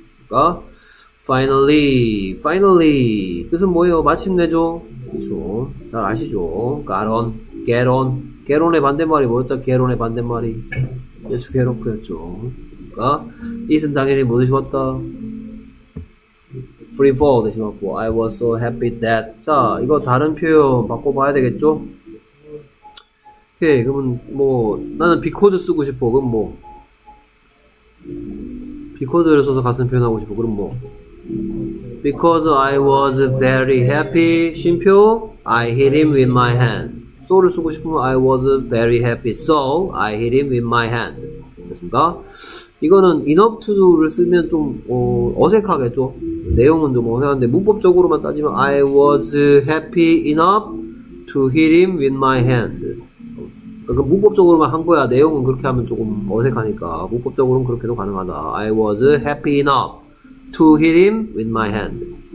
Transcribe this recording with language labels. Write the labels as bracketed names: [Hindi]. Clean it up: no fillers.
[Korean] 그러니까 finally 뜻은 뭐예요? 마침내죠. 그렇죠. 잘 아시죠? get on. get on의 반대말이 뭐였다? get on의 반대말이 yes, get off였죠. 그러니까 it은 당연히 못 쉬었다. [English] free fall [Korean] 대신 왔고 [English] I was so happy that. [Korean] 자, 이거 다른 표현 바꿔봐야 되겠죠? 오케이. 그러면 뭐 나는 because 쓰고 싶어. 그럼 뭐 because를 써서 같은 표현 하고 싶어. 그럼 뭐 [English] because I was very happy. [Korean] 쉼표 [English] I hit him with my hand. so를 쓰고 싶으면 I was very happy so I hit him with my hand. [Korean] 됐습니까? 이거는 enough to를 쓰면 좀 어색하겠죠? 내용은 좀 어색한데 문법적으로만 따지면 [English] I was happy enough to hit him with my hand. [Korean] 그러니까 문법적으로만 한 거야. 내용은 그렇게 하면 조금 어색하니까 문법적으로는 그렇게도 가능하다. [English] I was happy enough to hit him with my hand.